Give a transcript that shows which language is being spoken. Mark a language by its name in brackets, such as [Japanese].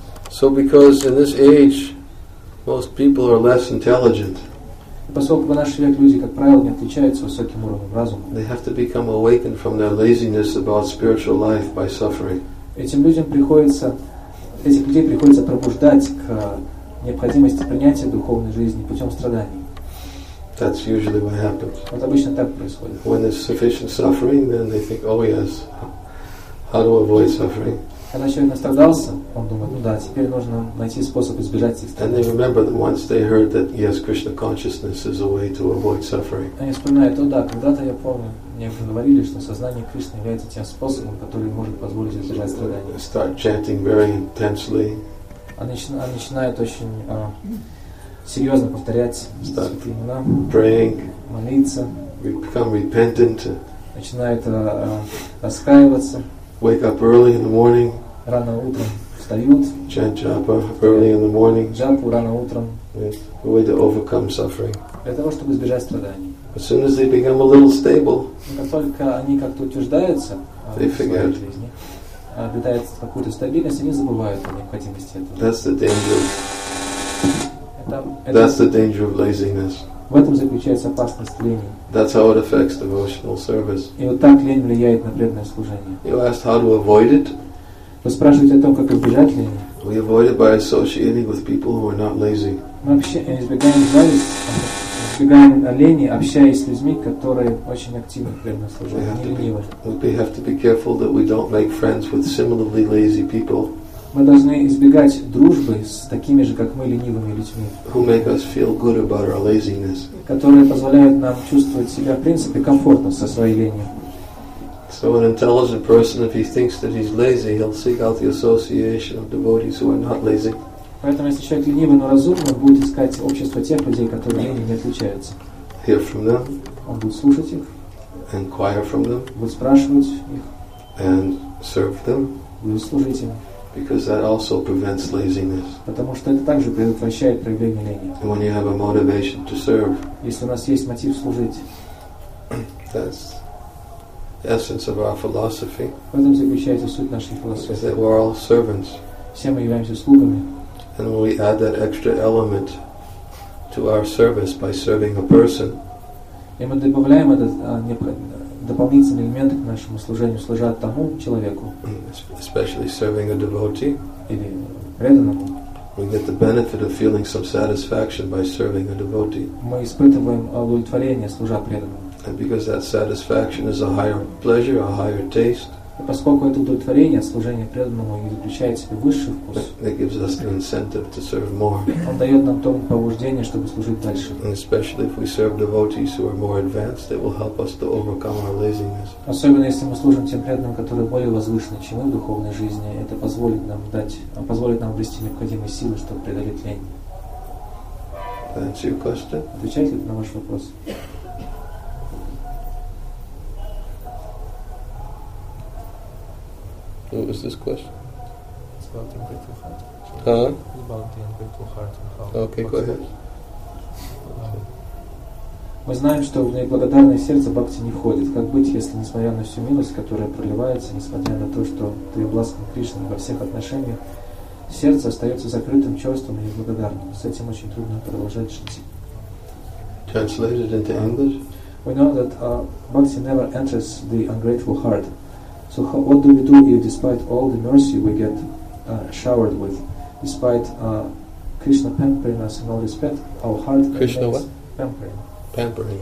[English] So because in this age most people are less intelligent. [Russian] Поскольку в наш век люди, как правило, не отличаются высоким уровнем разума. [English] They have to become awakened from their laziness about spiritual life by suffering. [Russian] Этим людям приходится, этих людей приходится пробуждать к необходимости принятия духовной жизни путем страданий. [English] That's usually what happens. [Russian] Вот обычно так происходит. [English] When there's sufficient suffering, then they think, oh yes, how to avoid suffering. [Russian] Когда человек настрадался, он думает, ну да, теперь нужно найти способ избежать этих страданий. [English] And they remember that once they heard that yes, Krishna consciousness is a way to avoid suffering. [Russian] Они вспоминают, ну да, когда-то я помню, мне говорили, что сознание Кришны является тем способом, который может позволить избежать страданий. [English] Start chanting very intensely. [Russian] Они начинают очень серьезно повторять святые имена. [English] Praying. [Russian] Молиться. [English] We become repentant. [Russian] Начинают раскаиваться. [English] Wake up early in the morning. [Russian] Рано утром встают. [English] Chant japa early in the morning. [Russian] Джапу рано утром. [English] Yes, a way to overcome suffering. [Russian] Для того, чтобы избежать страданий. [English] As soon as they become a little stable, [Russian] как только они как-то утверждаются в своей жизни, обретают какую-то стабильность, они забывают о необходимости этого. [English] That's the danger. That's the danger of laziness. [Russian] В этом заключается опасность лени. [English] That's how it affects devotional service. [Russian] И вот так лень влияет на преданное служение. [English] You asked how to avoid it. [Russian] Вы спрашиваете о том, как избежать лени. [English] We avoid it by associating with people who are not lazy. [Russian] Мы избегаем лени, общаясь с людьми, которые очень активны в преданном служении, не ленивы. [English] We have to be careful that we don't make friends with similarly lazy people. [Russian] Мы должны избегать дружбы с такими же, как мы, ленивыми людьми, [English] who make us feel good about our laziness, [Russian] которые позволяют нам чувствовать себя, в принципе, комфортно со своей ленью. [English] So an intelligent person, if he thinks that he's lazy, he'll seek out the association of devotees who are not lazy. [Russian] Поэтому, если человек ленивый, но разумный, будет искать общество тех людей, которые ленью не отличаются. [English] Hear from them. [Russian] Он будет слушать их. [English] Inquire from them. [Russian] Будет спрашивать их. [English] And serve them. [Russian] Будет служить им. [English] Because that also prevents laziness. [Russian] Потому что это также предотвращает проявление лени. [English] And when you have a motivation to serve, [Russian] если у нас есть мотив служить, [English] that's the essence of our philosophy. [Russian] В этом заключается суть нашей философии. [English] That we're all servants. [Russian] Все мы являемся слугами. [English] And when we add that extra element to our service by serving a person, [Russian] и мы добавляем этот дополнительный элемент к нашему служению, служа тому человеку, [English] especially serving a devotee, [Russian] или преданному, [English] we get the benefit of feeling some satisfaction by serving a devotee. [Russian] Мы испытываем удовлетворение, служа преданному. [English] And because that satisfaction is a higher pleasure, a higher taste, [Russian] и поскольку это удовлетворение, служение преданному и заключает в себе высший вкус, [English] that gives us the incentive to serve more. [Russian] Он дает нам то побуждение, чтобы служить дальше. [English] And especially if we serve devotees who are more advanced, it will help us to overcome our laziness. [Russian] Особенно если мы служим тем преданным, которые более возвышены, чем мы в духовной жизни, это позволит нам обрести необходимые силы, чтобы преодолеть лень. [English] That's your question? [Russian] Отвечает ли это на ваш вопрос? [English] What was this question? It's about the ungrateful heart. Huh? It's about the ungrateful heart and how. Okay, go ahead. [Russian] Мы знаем, что в неблагодарное сердце бхакти не входит. Как быть, если, несмотря на всю милость, которая проливается, несмотря на то, что ты обласкан Кришной во всех отношениях, сердце остается закрытым, чувством и неблагодарным. С этим очень трудно продолжать жить. [English] Translated into English? We know that bhakti never enters the ungrateful heart. So how, what do we do if, despite all the mercy we get showered with, despite Krishna pampering us in all respect, our heart Krishna what? Pampering